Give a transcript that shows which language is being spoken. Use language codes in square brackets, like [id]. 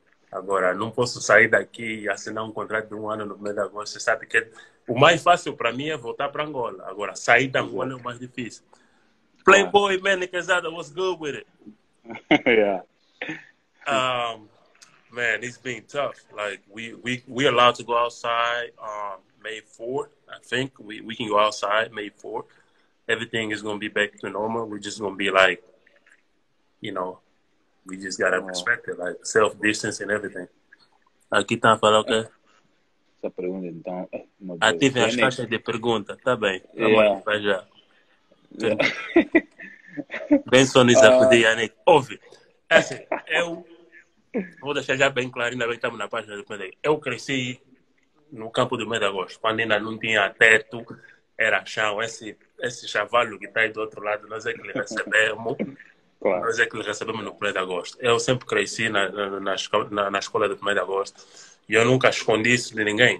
[pt] Agora, não posso sair daqui e assinar um contrato de um ano no meio de agosto. Você sabe que o mais fácil para mim é voltar para Angola. Agora, sair da Angola é o mais difícil. [en] Playboy, man, what's good with it? Yeah. Man, it's been tough. Like we allowed to go outside on May 4th. I think we can go outside May 4th. Everything is gonna be back to normal. We're just gonna be like, you know, we just gotta respect it, like self distance and everything. [pt] Aqui tá falando que essa pergunta então. Ative as caixas de pergunta, tá bem? Vai já. [en] Benson is up with Yannick. [pt] Ouve. Eu vou deixar já bem claro, ainda bem que estamos na página do PD. Eu cresci no campo do mês de agosto, quando ainda não tinha teto, era chão. Esse chavalo que está aí do outro lado, nós é que lhe recebemos. Claro. Nós é que lhe recebemos no mês de agosto. Eu sempre cresci na escola do mês de agosto e eu nunca escondi isso de ninguém.